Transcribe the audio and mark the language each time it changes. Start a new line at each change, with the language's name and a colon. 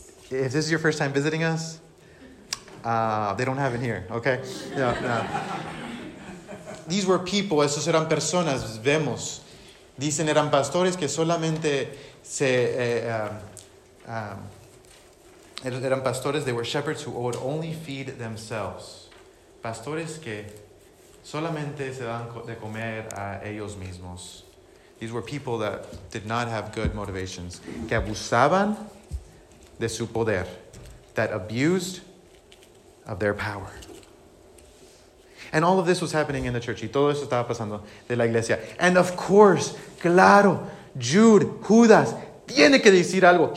English: If this is your first time visiting us, they don't have it here, okay?
Spanish: No, no.
English: These were people.
Spanish: Esos eran personas. Vemos. Dicen eran pastores que solamente se... eran pastores,
English: they were shepherds who would only feed themselves.
Spanish: Pastores que solamente se dan de comer a ellos mismos.
English: These were people that did not have good motivations.
Spanish: Que abusaban de su poder.
English: That abused of their power. And all of this was happening in the church.
Spanish: Y todo eso estaba pasando de la iglesia.
English: And of course,
Spanish: claro, Jude, Judas, tiene que decir algo.